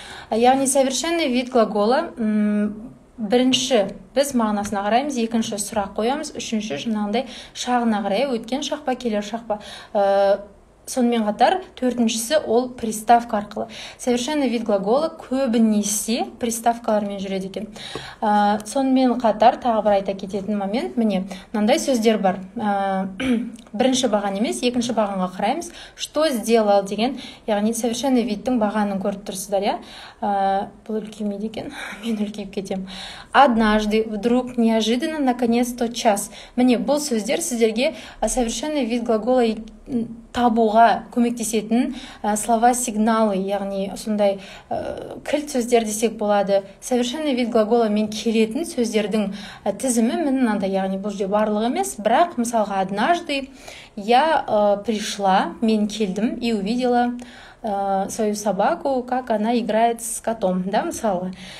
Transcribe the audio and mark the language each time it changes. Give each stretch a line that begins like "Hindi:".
Russian: Яғни совершенный вид глагола...
Kazakh: Бірінші, біз мағынасына қараймыз, екінші сұрақ қоямыз, үшінші жаңағындай шағына қарай, өткен шақ па, келер шақ па. Сонымен қатар, төртіншісі ол приставка арқылы.
Russian: Совершенный вид глагола
Kazakh: көбінесе приставкалармен жүреді екен. Сонымен қатар, тағы бір айта кететін момент, міне, мынандай сөздер бар. Бірінші баған емес, екінші бағанға қараймыз.
Russian: Что сделал
Kazakh: деген, яғни совершенный видтің бағанын көріп тұрсыздар, бұл үлкеймейді екен, мен үлкейіп кетем.
Russian: Однажды, вдруг, неожиданно, наконец, тот час.
Kazakh: Міне, бұл сөздер сіздерге
Russian: совершенный вид глагола
Kazakh: табуға көмектесетін
Russian: слова сигналы,
Kazakh: яғни сондай кілт сөздер десек болады. Совершенный вид глагола мен келетін сөздердің тізімі мінінанда, яғни бұл жерде барлығы емес, бірақ мысалға
Russian: однажды я пришла,
Kazakh: мен келдім
Russian: и увидела свою собаку, как она играет с котом, да,
Kazakh: мысалы.